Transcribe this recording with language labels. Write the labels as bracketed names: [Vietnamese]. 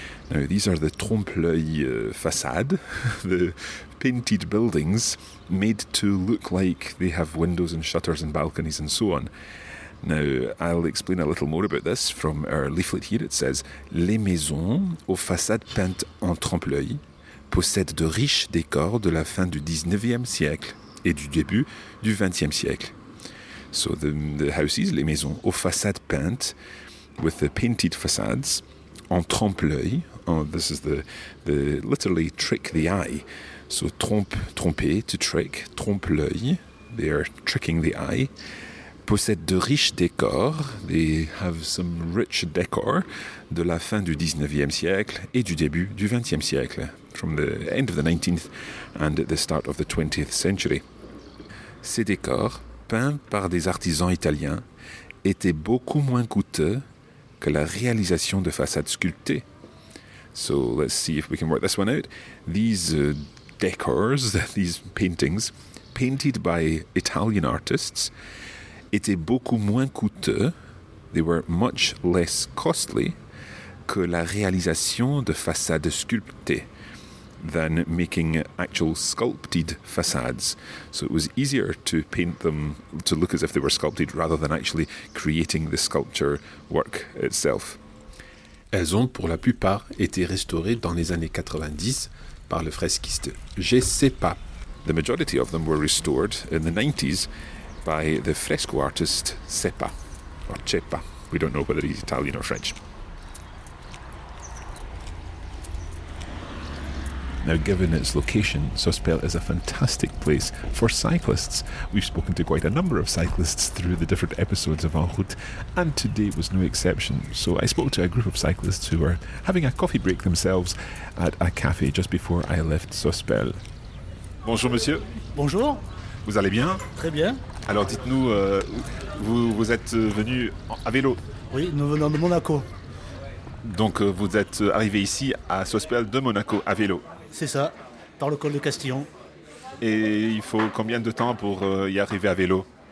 [English] Now, these are the trompe-l'œil façades, the painted buildings made to look like they have windows and shutters and balconies and so on. Now, I'll explain a little more about this from our leaflet here. It says, [French] les maisons aux façades peintes en trompe-l'œil possèdent de riches décors de la fin du 19e siècle et du début du 20e siècle. [English] So the houses, [French] les maisons aux façades peintes, [English] with the painted facades, [French] en trompe-l'œil. [English] Oh, this is the literally trick the eye. So tromper, to trick, trompe-l'œil. They are tricking the eye. [French] Possèdent de riches décors. [English] They have some rich decor [French] de la fin du 19e siècle et du début du 20e siècle. [English] From the end of the 19th and the start of the 20th century. [French] Ces décors, peints par des artisans italiens, étaient beaucoup moins coûteux que la réalisation de façades sculptées. [English] So let's see if we can work this one out. These decors, these paintings, painted by Italian artists, [French] étaient beaucoup moins coûteux, [English] they were much less costly, [French] que la réalisation de façades sculptées, [English] than making actual sculpted facades. So it was easier to paint them to look as if they were sculpted rather than actually creating the sculpture work itself. [French] Elles ont pour la plupart été restaurées dans les années 90 par le fresquiste Jesse Pape. [English] The majority of them were restored in the 90s by the fresco artist Cepa, or Cepa. We don't know whether he's Italian or French. Now, given its location, Sospel is a fantastic place for cyclists. We've spoken to quite a number of cyclists through the different episodes of En Route, and today was no exception. So I spoke to a group of cyclists who were having a coffee break themselves at a cafe just before I left Sospel. [French] Bonjour, monsieur. Bonjour. Vous allez bien? Très bien. Alors, dites-nous, vous êtes venu à vélo? Oui, nous venons de Monaco. Donc, vous êtes arrivé ici à Sospel de Monaco à vélo? C'est ça, par le col de Castillon. Et il faut combien de temps pour y arriver à vélo?